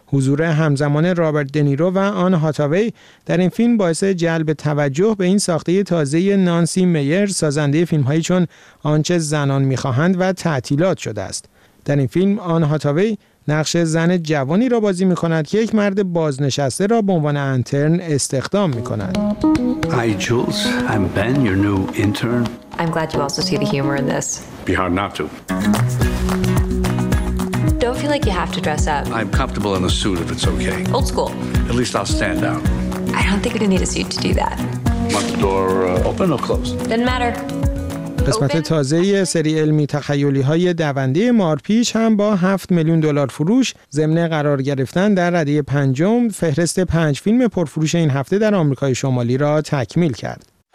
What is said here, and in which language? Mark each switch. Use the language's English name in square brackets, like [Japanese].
[Persian] حضور همزمان رابرت دنیرو و آن هاتاوی در این فیلم باعث جلب توجه به این ساخته تازه نانسی میر، سازنده فیلم‌هایی چون آنچه زنان می‌خواهند و تعطیلات شده است. در این فیلم آن هاتاوی نقش زن جوانی را بازی می‌کند که یک مرد بازنشسته را به عنوان انترن استخدام می‌کند. [English] Hi Jules, I'm Ben, your new intern. I'm glad you also see the humor in this. Be hard not to. Don't feel like you have to dress up. I'm comfortable in a suit if it's okay. Old school. At least I'll stand out. I don't think we need a suit to do that. Want the door open or closed? Doesn't matter. [Persian] قسمت تازه سری علمی تخیلی های دونده مارپیچ هم با 7 میلیون دلار فروش ضمن قرار گرفتن در رده پنجم فهرست 5 فیلم پرفروش این هفته در آمریکای شمالی را تکمیل کرد.